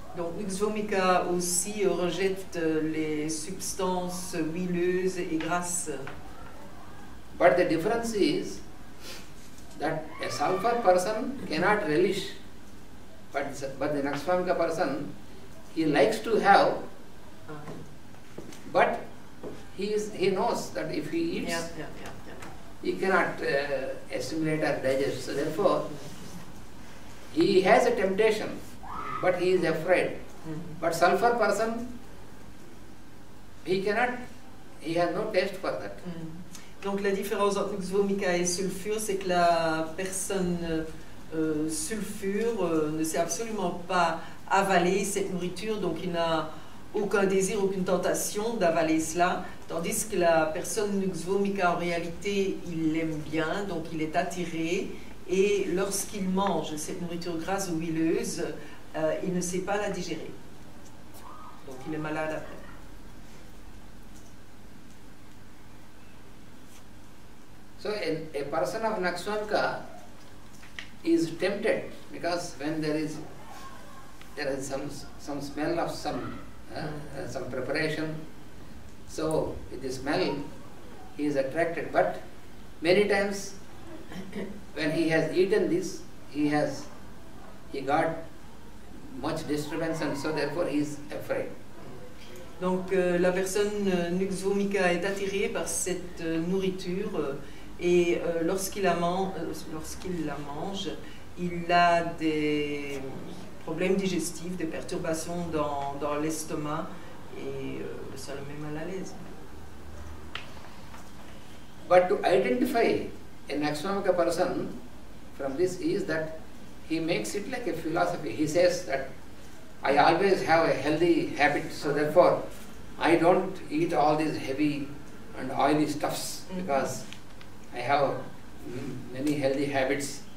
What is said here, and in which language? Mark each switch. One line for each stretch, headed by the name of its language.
French: Donc Nuxomiga aussi rejette les substances huileuses et grasses.
English: But the difference is that a sulfur person cannot relish, but the Naxwanga person, he likes to have, but he knows that if he eats, he cannot assimilate or digest. So therefore, he has a temptation, but he is afraid. Mm-hmm. But sulfur person, he has no taste for that. Mm-hmm.
French: Donc la différence entre Nuxvomica et sulfure, c'est que la personne sulfure ne sait absolument pas avaler cette nourriture, donc il n'a aucun désir, aucune tentation d'avaler cela, tandis que la personne Nuxvomica, en réalité, il l'aime bien, donc il est attiré, et lorsqu'il mange cette nourriture grasse ou huileuse, il ne sait pas la digérer. Donc il est malade après.
English: So a person of Naxwanga is tempted because when there is some smell of some preparation, so with the smell he is attracted. But many times when he has eaten this, he got much disturbance, and so therefore he is afraid.
French: Donc la personne Nuxvomica est attirée par cette nourriture. Et lorsqu'il la mange, il a des problèmes digestifs, des perturbations dans l'estomac, et ça le met mal à l'aise.
English: But to identify a Naxwanga person from this is that he makes it like a philosophy. He says that I always have a healthy habit, so therefore I don't eat all these heavy and oily stuffs because I have many healthy habits.